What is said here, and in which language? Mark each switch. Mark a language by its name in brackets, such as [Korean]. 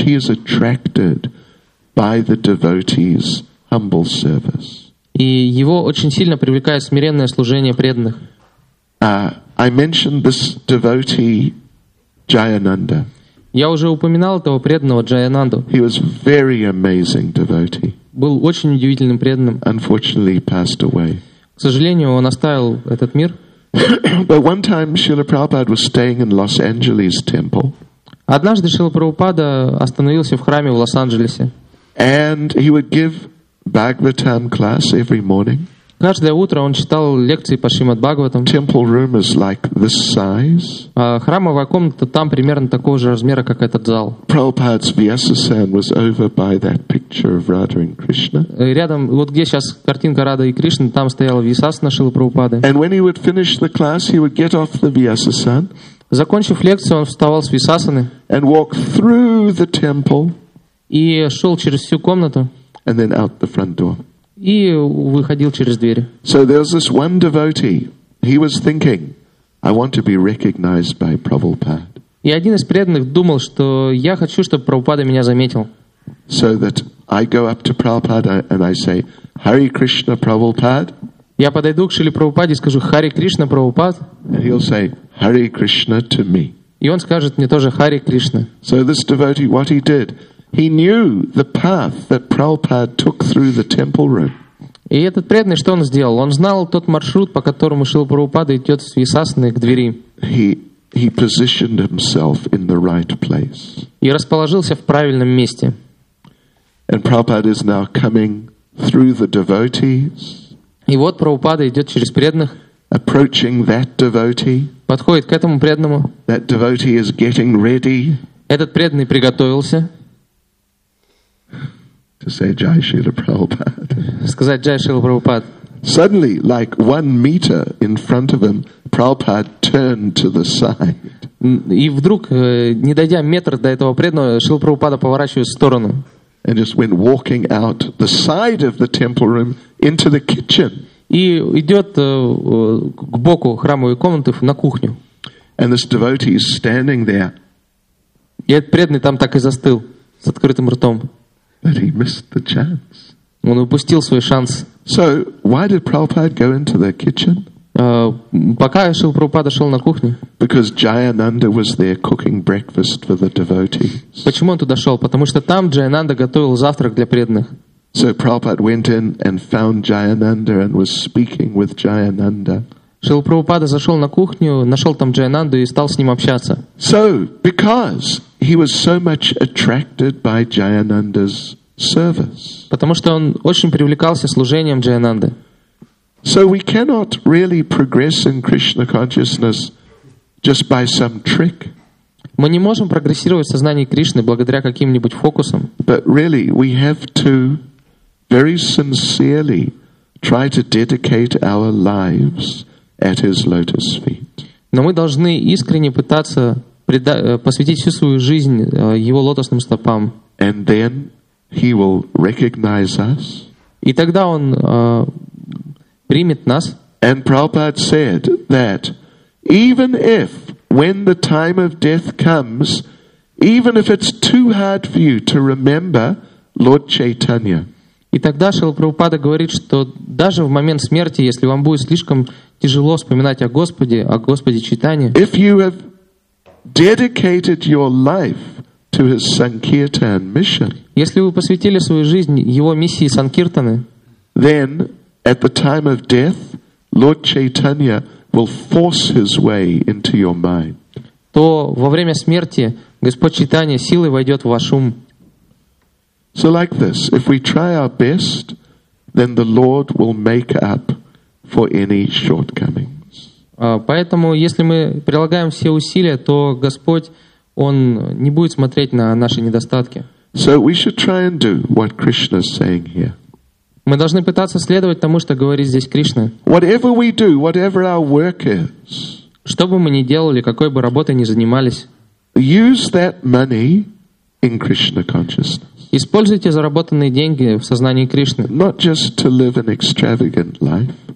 [English] He is attracted by the devotee's humble service. [Russian] И его очень сильно привлекает смиренное служение преданных. [English] I mentioned this devotee Jayananda. [Russian] Я уже упоминал этого преданного Джаянанду. [English] He was very amazing devotee. [Russian] Был очень удивительным преданным. [English] Unfortunately, he passed away. [Russian] К сожалению, он оставил этот мир. [English] But one time Srila Prabhupada was staying in Los Angeles temple. [Russian] Однажды Шрила Прабхупада остановился в храме в Лос-Анджелесе. [English] And he would give Bhagavatam class every morning. [Russian] Каждое утро он читал лекции по Шримад-Бхагаватам. [English] Temple room is like this size. [Russian] Храмовая комната там примерно такого же размера, как этот зал. [English] Prabhupada's Vyasasan was over by that picture of Radha and Krishna. [Russian] Рядом, вот где сейчас картинка Рады и Кришны, там стояла Вьясасана Шрилы Прабхупады. [English] And when he would finish the class, he would get off the Vyasasan. [Russian] Закончив лекцию, он вставал с Вьясасаны. [English] And walk through the temple. [Russian] И шел через всю комнату. [English] And then out the front door. [Russian] И выходил через дверь. [English] So there was this one devotee. He was thinking, I want to be recognized by Prabhupada. [Russian] И один из преданных думал, что я хочу, чтобы Прабхупада меня заметил. [English] So that I go up to Prabhupada and I say, Hare Krishna Prabhupada. [Russian] Я подойду к Шриле Прабхупаде и скажу, Hare Krishna Prabhupada. [English] And he'll say, Hare Krishna to me. [Russian] И он скажет мне тоже, Hare Krishna. [English] So this devotee, what he did, he knew the path that Prabhupada took through the temple room. [Russian] И этот преданный, что он сделал? Он знал тот маршрут, по которому Шрила Прабхупада идет с Вьясасаны к двери. [English] He positioned himself in the right place. [Russian] И расположился в правильном месте. [English] And Prabhupada is now coming through the devotees. [Russian] И вот Прабхупада идет через преданных. [English] Approaching that devotee. [Russian] Подходит к этому преданному. [English] That devotee is getting ready. [Russian] Этот преданный приготовился. [English] To say Jai Srila Prabhupada. [Russian] Сказать Jai Srila Prabhupada. [English] Suddenly, like 1 meter in front of him, Prabhupada turned to the side. [Russian] И вдруг, не дойдя метр до этого преданного, Шрила Прабхупада поворачивается в сторону. [English] And just went walking out the side of the temple room into the kitchen. [Russian] И идет к боку храмовой комнаты на кухню. [English] And this devotee is standing there. [Russian] И этот преданный там так и застыл с открытым ртом. [English] But he missed the chance. [Russian] Он упустил свой шанс. [English] So why did Prabhupada go into the kitchen? [Russian] Пока Шрила Прабхупада шел на кухню. [English] Because Jayananda was there cooking breakfast for the devotees. [Russian] Почему он туда шел? Потому что там Джаянанда готовил завтрак для преданных. [English] So Prabhupada went in and found Jayananda and was speaking with Jayananda. [Russian] Шрила Прабхупада зашел на кухню, нашел там Джаянанду и стал с ним общаться. [English] So because he was so much attracted by Jayananda's service. [Russian] Потому что он очень привлекался служением Джаянанды. [English] So we cannot really progress in Krishna consciousness just by some trick. [Russian] Мы не можем прогрессировать в сознании Кришны благодаря каким-нибудь фокусам. [English] But really, we have to very sincerely try to dedicate our lives at his lotus feet. [Russian] Но мы должны искренне пытаться посвятить всю свою жизнь его лотосным стопам. [English] And then he will recognize us. [Russian] И тогда он примет нас. [English] And Prabhupada said that even if when the time of death comes, even if it's too hard for you to remember Lord Chaitanya. [Russian] И тогда Шрила Прабхупада говорит, что даже в момент смерти, если вам будет слишком тяжело вспоминать о Господе Чайтанье. [English] If you have dedicated your life to his Sankirtan mission, [Russian] если вы посвятили свою жизнь его миссии Санкиртаны, [English] then at the time of death, Lord Chaitanya will force his way into your mind. [Russian] То во время смерти Господь Чайтанья силой войдет в ваш ум. [English] So like this, if we try our best, then the Lord will make up for any shortcomings. [Russian] Поэтому, если мы прилагаем все усилия, то Господь, Он не будет смотреть на наши недостатки. [English] So we should try and do what Krishna is saying here. [Russian] Мы должны пытаться следовать тому, что говорит здесь Кришна. [English] Whatever we do, whatever our work is, [Russian] что бы мы ни делали, какой бы работой ни занимались, [English] use that money in Krishna consciousness. [Russian] Используйте заработанные деньги в сознании Кришны. [English] Not just to live an extravagant life.